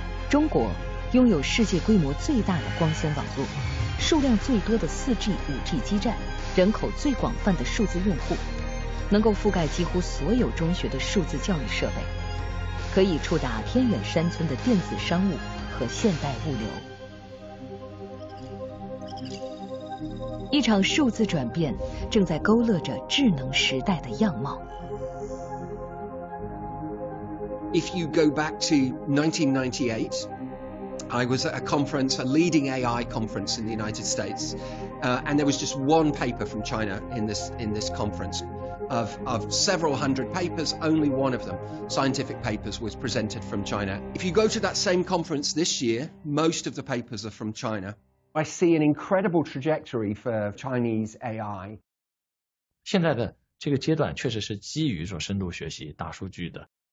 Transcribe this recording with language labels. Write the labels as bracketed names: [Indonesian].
[Chinese] 中国拥有世界规模最大的光纤网络，数量最多的 4G、5G 基站，人口最广泛的数字用户，能够覆盖几乎所有中学的数字教育设备，可以触达偏远山村的电子商务和现代物流。一场数字转变正在勾勒着智能时代的样貌。 [English] If you go back to 1998, I was at a conference, a leading AI conference in the United States, and there was just one paper from China in this conference. Of several hundred papers, only one of them, scientific papers, was presented from China. If you go to that same conference this year, most of the papers are from China. I see an incredible trajectory for Chinese AI. [Chinese] 现在的这个阶段确实是基于说深度学习、大数据的。